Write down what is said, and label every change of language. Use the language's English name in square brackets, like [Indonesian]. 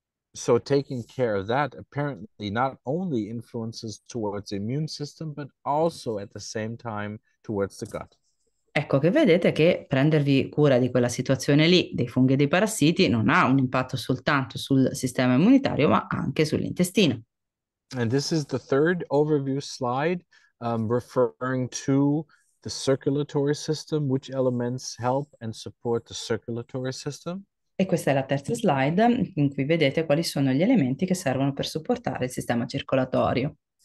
[English] So taking care of that apparently not only influences towards the immune system, but also at the same time towards the gut. [Italian] Ecco che vedete che prendervi cura di quella situazione lì, dei funghi e dei parassiti, non ha un impatto soltanto sul sistema immunitario, ma anche sull'intestino. [English] And this is the third overview slide, referring to the circulatory system, which elements help and support the circulatory system. [Italian] E questa è la terza slide in cui vedete quali sono gli elementi che servono per supportare il sistema circolatorio.